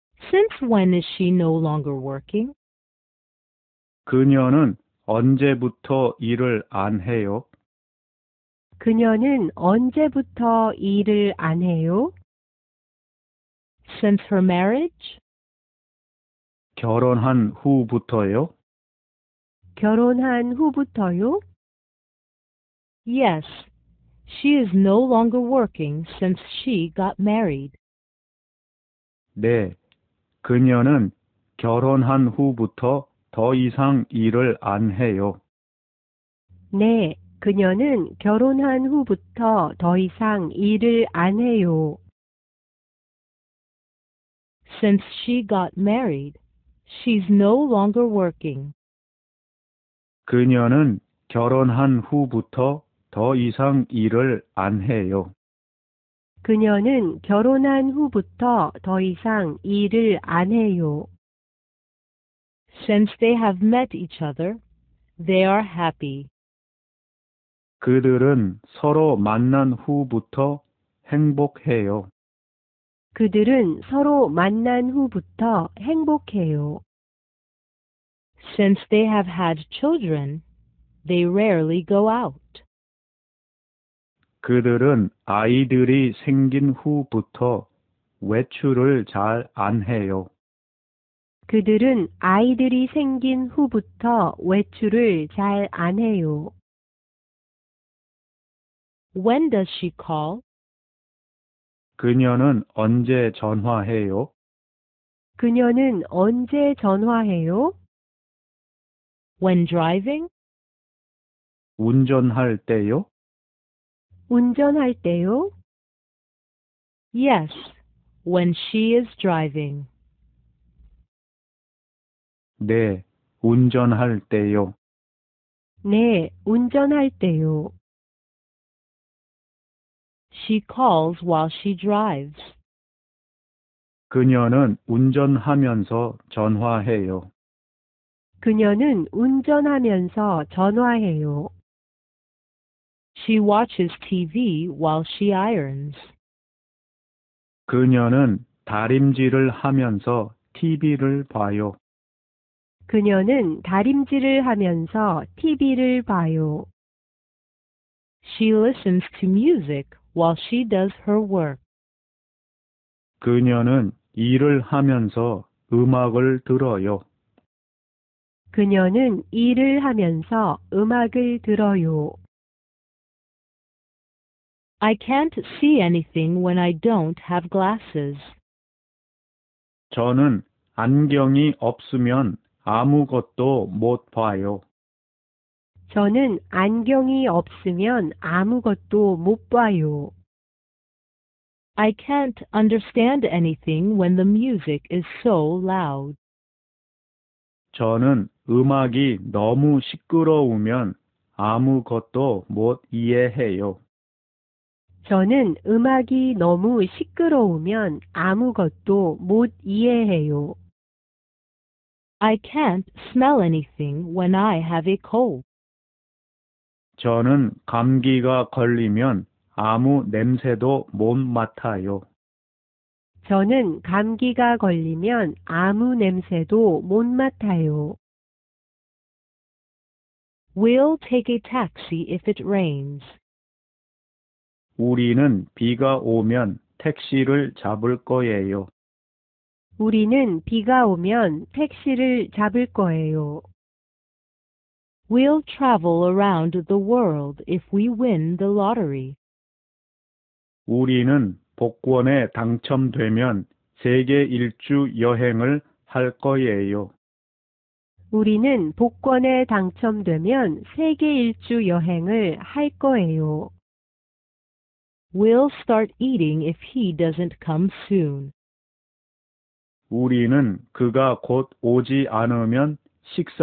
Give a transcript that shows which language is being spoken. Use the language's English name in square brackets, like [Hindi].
[English] Since when is she no longer working? [Korean] 그녀는 언제부터 일을 안 해요? 그녀는 언제부터 일을 안 해요? [English] Since her marriage? [Korean] 결혼한 후부터요? 결혼한 후부터요? [English] Yes, she is no longer working since she got married. [Korean] 네, 그녀는 결혼한 후부터 더 이상 일을 안 해요. 네, 그녀는 결혼한 후부터 더 이상 일을 안 해요. [English] Since she got married, she's no longer working. [Korean] 그녀는 결혼한 후부터 더 이상 일을 안 해요. 그녀는 결혼한 후부터 더 이상 일을 안 해요. [English] Since they have met each other, they are happy. [Korean] 그들은 서로 만난 후부터 행복해요. 그들은 서로 만난 후부터 행복해요. [English] Since they have had children, they rarely go out. [Korean] 그들은 아이들이 생긴 후부터 외출을 잘 안 해요. 그들은 아이들이 생긴 후부터 외출을 잘 안 해요. [English] When does she call? [Korean] 그녀는 언제 전화해요? 그녀는 언제 전화해요? [English] When driving? [Korean] 운전할 때요? 운전할 때요? [English] Yes, when she is driving. [Korean] 네, 운전할 때요. 네, 운전할 때요. [English] She calls while she drives. [Korean] 그녀는 운전하면서 전화해요. 그녀는 운전하면서 전화해요. [English] She watches TV while she irons. [Korean] 그녀는 다림질을 하면서 TV를 봐요. 그녀는 다림질을 하면서 TV를 봐요. [English] She listens to music while she does her work. [Korean] 그녀는 일을 하면서 음악을 들어요. 그녀는 일을 하면서 음악을 들어요. [English] I can't see anything when I don't have glasses. [Korean] 저는 안경이 없으면 아무것도 못 봐요. 저는 안경이 없으면 아무것도 못 봐요. [English] I can't understand anything when the music is so loud. [Korean] 저는 음악이 너무 시끄러우면 아무것도 못 이해해요. 저는 음악이 너무 시끄러우면 아무것도 못 이해해요. [English] I can't smell anything when I have a cold. [Korean] 저는 감기가 걸리면 아무 냄새도 못 맡아요. 저는 감기가 걸리면 아무 냄새도 못 맡아요. [English] We'll take a taxi if it rains. [Korean] 우리는 비가 오면 택시를 잡을 거예요. 우리는 비가 오면 택시를 잡을 거예요. [English] We'll travel around the world if we win the lottery. [Korean] 우리는 복권에 당첨되면 세계 일주 여행을 할 거예요. 우리는 복권에 당첨되면 세계 일주 여행을 할 거예요. [English] We'll start eating if he doesn't come soon. [Korean] 우리는 그가 곧 오지 않으면 식사